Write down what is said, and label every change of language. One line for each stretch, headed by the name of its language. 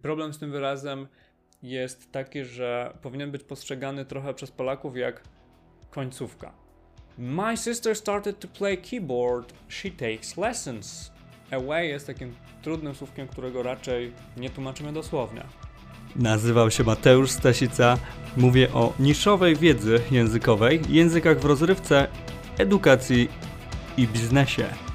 Polish: Problem z tym wyrazem jest taki, że powinien być postrzegany trochę przez Polaków jak końcówka.
English: My sister started to play keyboard, she takes lessons.
Polish: Away jest takim trudnym słówkiem, którego raczej nie tłumaczymy dosłownie. Nazywam się Mateusz Stasica, mówię o niszowej wiedzy językowej, językach w rozrywce, edukacji i biznesie.